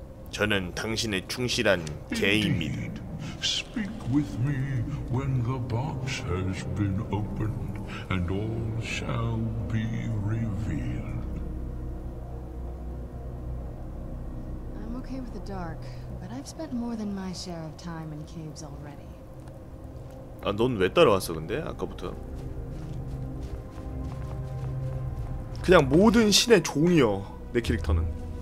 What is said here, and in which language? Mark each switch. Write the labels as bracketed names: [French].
[Korean] 저는 당신의 충실한 개입니다. [English] Speak with me when the box has been opened, and all shall be revealed. I'm okay with the dark, but I've spent more than my share of time in caves already. [Korean] 아, 넌 왜 따라왔어 근데 아까부터? 그냥 모든 신의 종이여 내 캐릭터는.